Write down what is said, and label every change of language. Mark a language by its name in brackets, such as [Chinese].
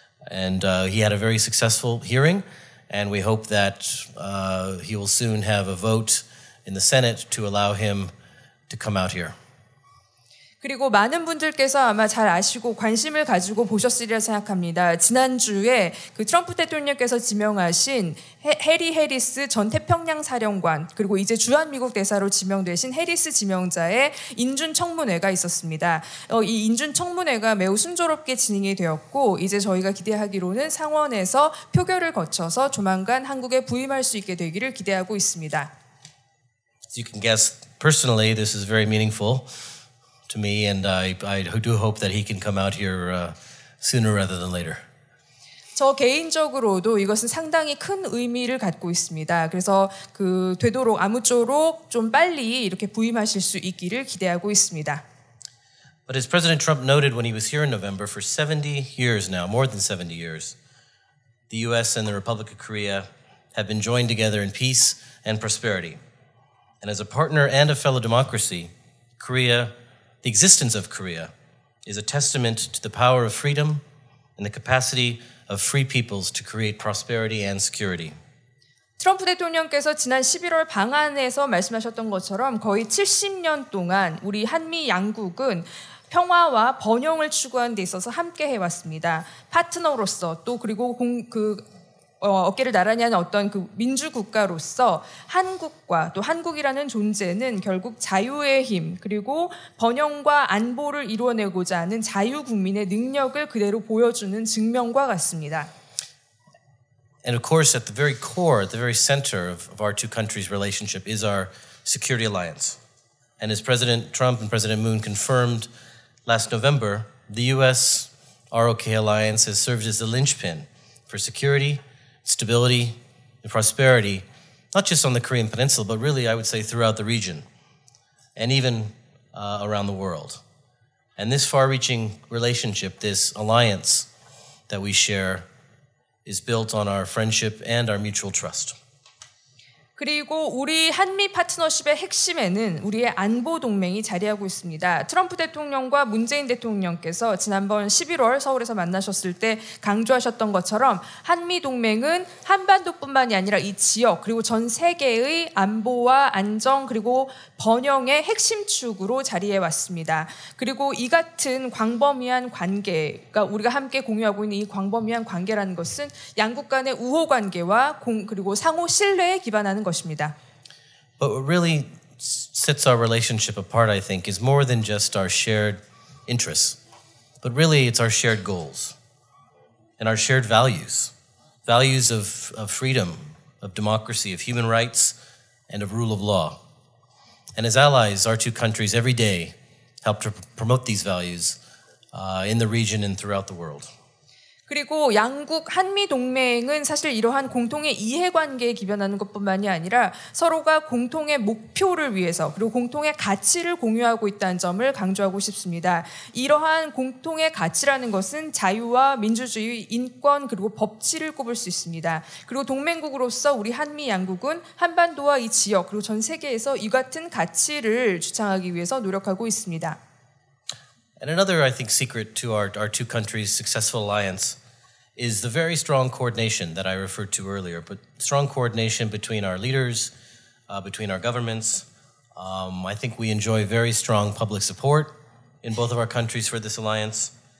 [English] And he had a very successful hearing, and we hope that he will soon have a vote in the Senate to allow him to come out here. [Korean] 그리고 많은 분들께서 아마 잘 아시고 관심을 가지고 보셨으리라 생각합니다. 지난주에 그 트럼프 대통령께서 지명하신 해리 해리스 전 태평양 사령관 그리고 이제 주한미국 대사로 지명되신 해리스 지명자의 인준청문회가 있었습니다. 이 인준청문회가 매우 순조롭게 진행이 되었고 이제 저희가 기대하기로는 상원에서 표결을 거쳐서 조만간 한국에 부임할 수 있게 되기를 기대하고 있습니다. [English] As you can guess, personally, this is very meaningful. To me, and I do hope that he can come out here sooner rather than later. [Korean] 저 개인적으로도 이것은 상당히 큰 의미를 갖고 있습니다. 그래서 그 되도록 아무쪼록 좀 빨리 이렇게 부임하실 수 있기를 기대하고 있습니다. [English] But as President Trump noted when he was here in November, for 70 years now, more than 70 years, the U.S. and the Republic of Korea have been joined together in peace and prosperity. And as a partner and a fellow democracy, Korea. The existence of Korea is a testament to the power of freedom and the capacity of free peoples to create prosperity and security. [Korean] 트럼프 대통령께서 지난 11월 방한에서 말씀하셨던 것처럼 거의 70년 동안 우리 한미 양국은 평화와 번영을 추구하는 데 있어서 함께 해왔습니다. 파트너로서 또 그리고 어깨를 나란히 하는 어떤 그 민주국가로서 한국과 또 한국이라는 존재는 결국 자유의 힘 그리고 번영과 안보를 이루어내고자 하는 자유국민의 능력을 그대로 보여주는 증명과 같습니다. [English] And of course at the very core, at the very center of our two countries' relationship is our security alliance. And as President Trump and President Moon confirmed Last November, the U.S. ROK alliance has served as the linchpin for security, stability, and prosperity, not just on the Korean Peninsula, but really, I would say, throughout the region, and even around the world. And this far-reaching relationship, this alliance that we share, is built on our friendship and our mutual trust. [Korean] 그리고 우리 한미 파트너십의 핵심에는 우리의 안보 동맹이 자리하고 있습니다. 트럼프 대통령과 문재인 대통령께서 지난번 11월 서울에서 만나셨을 때 강조하셨던 것처럼 한미 동맹은 한반도뿐만이 아니라 이 지역 그리고 전 세계의 안보와 안정 그리고 번영의 핵심 축으로 자리해 왔습니다. 그리고 이 같은 광범위한 관계, 그러니까 우리가 함께 공유하고 있는 이 광범위한 관계라는 것은 양국 간의 우호 관계와 그리고 상호 신뢰에 기반한 것입니다. [English] But what really sets our relationship apart, I think, is more than just our shared interests, but really it's our shared goals and our shared values, values of freedom, of democracy, of human rights, and of rule of law. And as allies, our two countries every day help to promote these values in the region and throughout the world. [Korean] 그리고 양국 한미 동맹은 사실 이러한 공통의 이해 관계에 기반하는 것뿐만이 아니라 서로가 공통의 목표를 위해서 그리고 공통의 가치를 공유하고 있다는 점을 강조하고 싶습니다. 이러한 공통의 가치라는 것은 자유와 민주주의, 인권 그리고 법치를 꼽을 수 있습니다. 그리고 동맹국으로서 우리 한미 양국은 한반도와 이 지역 그리고 전 세계에서 이 같은 가치를 주창하기 위해서 노력하고 있습니다. [English] And another, I think, secret to our two countries' successful alliance is the very strong coordination that I referred to earlier, but strong coordination between our leaders, between our governments. I think we enjoy very strong public support in both of our countries for this alliance.